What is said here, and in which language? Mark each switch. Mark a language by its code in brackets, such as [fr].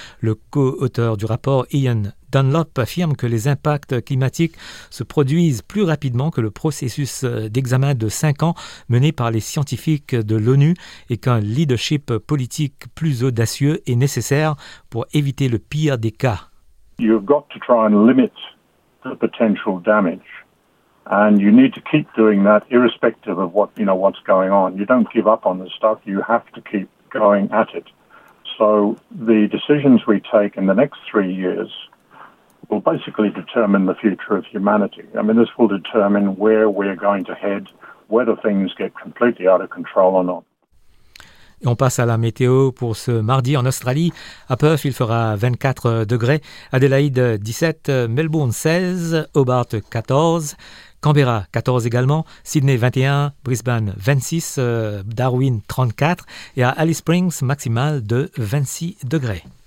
[fr] Le co-auteur du rapport, Ian Dunlop, affirme que les impacts climatiques se produisent plus rapidement que le processus d'examen de 5 ans mené par les scientifiques de l'ONU et qu'un leadership politique plus audacieux est nécessaire pour éviter le pire des cas. [en] You've got to try and limit the potential damage, and you need to keep doing that irrespective of what, you know, what's going on. You don't give up on this stuff, you have to keep going at it. So the decisions we take in the next 3 years will basically determine the future of humanity. I mean, this will determine where we're going to head, whether things get completely out of control or not. [fr] Et on passe à la météo pour ce mardi en Australie. À Perth, il fera 24 degrés. Adélaïde, 17. Melbourne, 16. Hobart, 14. Canberra, 14 également. Sydney, 21. Brisbane, 26. Darwin, 34. Et à Alice Springs, maximale de 26 degrés.